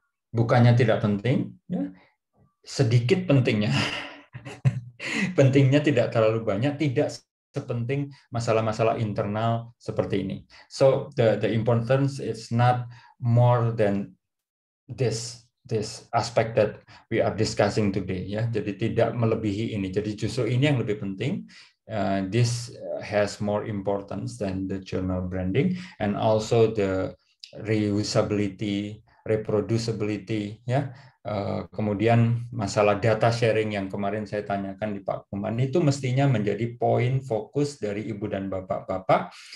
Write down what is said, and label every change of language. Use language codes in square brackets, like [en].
[id] Bukannya tidak penting, ya. Sedikit pentingnya. Pentingnya tidak terlalu banyak, tidak sepenting masalah-masalah internal seperti ini. [en] So the importance is not more than this aspect that we are discussing today, ya. [id] Jadi tidak melebihi ini. Jadi justru ini yang lebih penting. [en] This has more importance than the journal branding and also the reusability, reproducibility, ya. [id] Kemudian masalah data sharing yang kemarin saya tanyakan di Pak Kuman itu mestinya menjadi poin fokus dari ibu dan bapak-bapak.